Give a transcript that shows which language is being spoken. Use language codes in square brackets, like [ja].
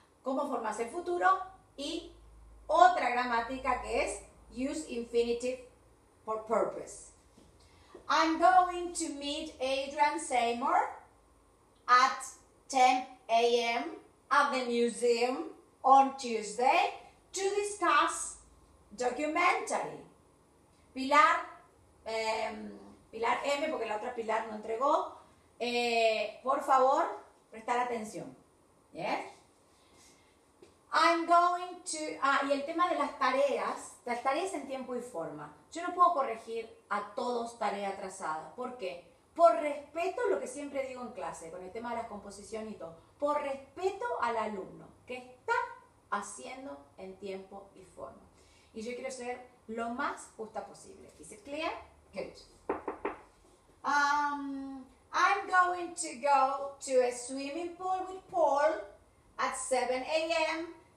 [es] Cómo formas el futuro y otra gramática que es [en] use infinitive for purpose. I'm going to meet Adrian Seymour at 10 a.m. at the museum on Tuesday to discuss documentary. [es] Pilar, Pilar M, porque la otra Pilar no entregó. Por favor, prestar atención. [en] Yes? I'm going to... [es] Ah, y el tema de las tareas en tiempo y forma. Yo no puedo corregir a todos tarea atrasada. ¿Por qué? Por respeto, lo que siempre digo en clase, con el tema de las composiciones y todo. Por respeto al alumno que está haciendo en tiempo y forma. Y yo quiero ser lo más justa posible. [en] Is it clear? Good. I'm going to go to a swimming pool with Paul at 7 a.m.